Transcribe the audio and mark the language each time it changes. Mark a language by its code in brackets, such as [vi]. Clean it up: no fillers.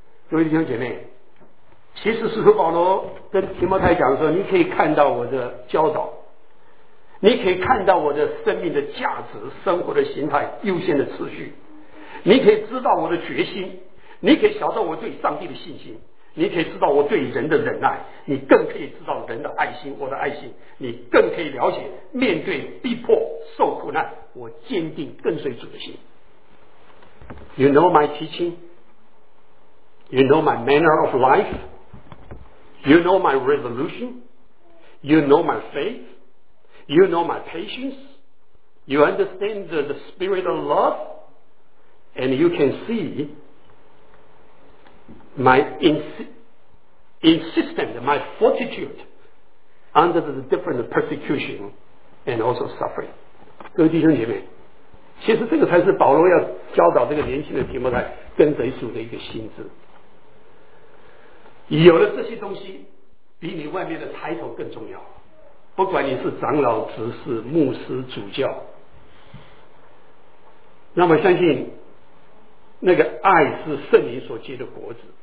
[zh] 各位弟兄姐妹，其实使徒保罗跟提摩太讲说，你可以看到我的教导，你可以看到我的生命的价值、生活的形态、优先的次序，你可以知道我的决心，你可以晓得我对上帝的信心，你可以知道我对人的忍耐，你更可以知道人的爱心，我的爱心，你更可以了解面对逼迫受苦难，我坚定跟随主的心。 [en] You know my teaching, You know my manner of life, You know my resolution, You know my faith, You know my patience, You understand the spirit of love, And you can seeMy insistence, my fortitude under the different persecution and also suffering. [zh] 各位弟兄姐妹，其实这个才是保罗要教导这个年轻的提摩太跟随主的一个心智。有了这些东西，比你外面的抬头更重要。不管你是长老、执事、牧师、主教，那么相信那个爱是圣灵所结的果子。